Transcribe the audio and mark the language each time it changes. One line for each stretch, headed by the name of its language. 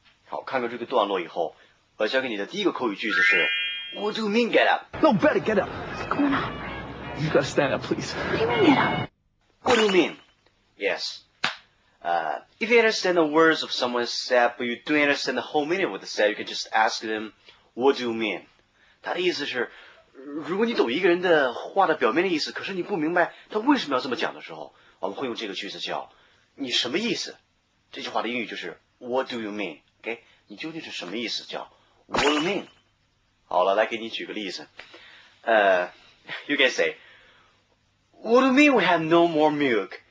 Chinese: 好，看到这个段落以后，我教给你的第一个口语句子是
English: Would you mean get up? No, better get up. Come on up. You gotta stand up, please. What do you mean get up? What do you mean? Yes. If you understand the words of someone said, but you don't understand the whole meaning of what they said, you can just ask them, What do you mean?
Chinese: 他的意思是如果你懂一个人的话的表面的意思可是你不明白他为什么要这么讲的时候我们会用这个句子叫你什么意思这句话的英语就是
English: What do you mean?
Chinese: OK? 你究竟是什么意思叫
English: What do you mean?
Chinese: 好了来给你举个例子
English: You can say What do you mean we have no more milk?